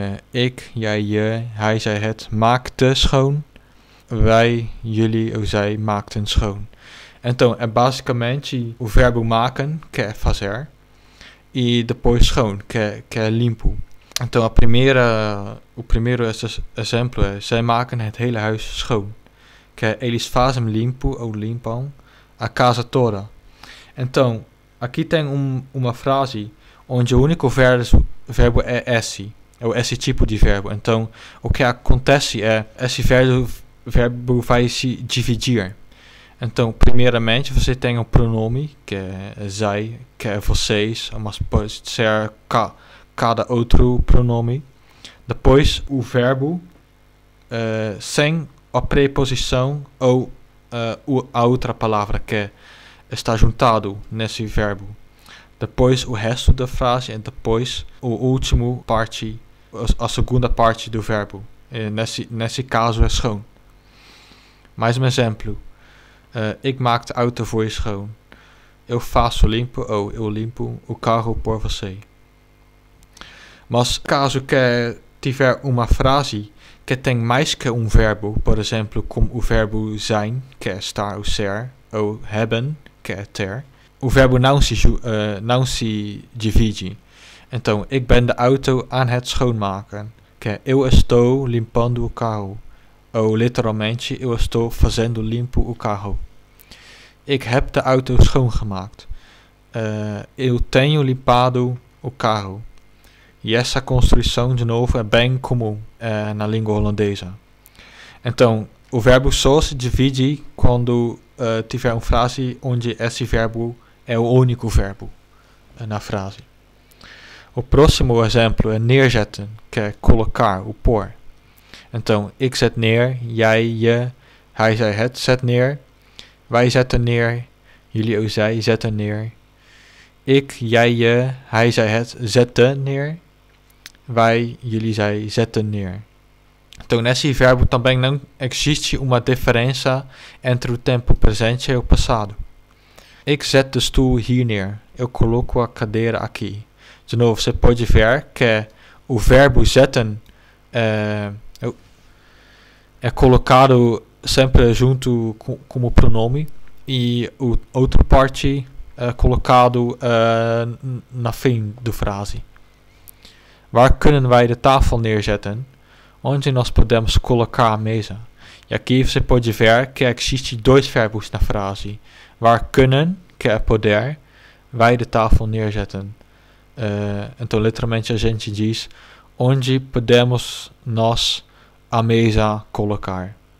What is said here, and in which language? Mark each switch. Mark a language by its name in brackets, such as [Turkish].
[Dutch] Ik, jij, je, hij zei het maakte schoon, wij, jullie [Portuguese] ou [Dutch] zij maakten schoon. [Portuguese] Então, é basicamente o verbo maken, que é fazer, e depois schoon, que é limpo. Então, o primeiro exemplo é, [Dutch] zij maken het hele huis schoon. [Portuguese] Eles fazem limpo ou limpam a casa toda. Então, aqui tem uma frase onde o único verbo é esse. É esse tipo de verbo. Então, o que acontece é esse verbo vai se dividir. Então, primeiramente, você tem o pronome, que é zij, que é vocês, mas pode ser cada outro pronome. Depois, o verbo sem a preposição ou a outra palavra que está juntado nesse verbo. Depois o resto da frase e depois a última parte, a segunda parte do verbo. nesse caso é schoon. Mais um exemplo. [Dutch] Ik maak de auto voor je schoon. [Portuguese] Eu faço limpo, eu limpo o carro por você. Mas caso que tiver uma frase que tem mais que verbo, por exemplo, como o verbo zijn, que é estar ou ser, ou hebben, que é ter, o verbo não se divide. Então, [Dutch] ik ben de auto aan het schoonmaken, [Portuguese] que é eu estou limpando o carro. Ou, literalmente, eu estou fazendo limpo o carro. [Dutch] Ik heb de auto schoongemaakt. [Portuguese] Eu tenho limpado o carro. E essa construção, de novo, é bem comum na língua holandesa. Então, o verbo só se divide quando tiver uma frase onde esse verbo é o único verbo na frase. O próximo exemplo é neerzetten, que é colocar, o pôr. Então, [Dutch] ik zet neer, jij, je, hij, zij, het zet neer, wij zetten neer, jullie, ook zij, zetten neer, ik, jij, je, hij, zij, het zetten neer, wij, jullie, zij, zetten neer. [Portuguese] Então, nesse verbo também não existe uma diferença entre o tempo presente e o passado. [Dutch] Ik zet de stoel hier neer, [Portuguese] eu coloco a cadeira aqui. De novo, você pode ver que o verbo zetten é colocado sempre junto com o pronome e o outra parte é colocado na fim da frase. [Dutch] Waar kunnen wij de tafel neerzetten? [Portuguese] Onde nós podemos colocar a mesa? E aqui você pode ver que existe dois verbos na frase. [Dutch] Waar kunnen, [Portuguese] que é poder, [Dutch] wij de tafel neerzetten? [Portuguese] Então, literalmente, a gente diz onde podemos nós a mesa colocar.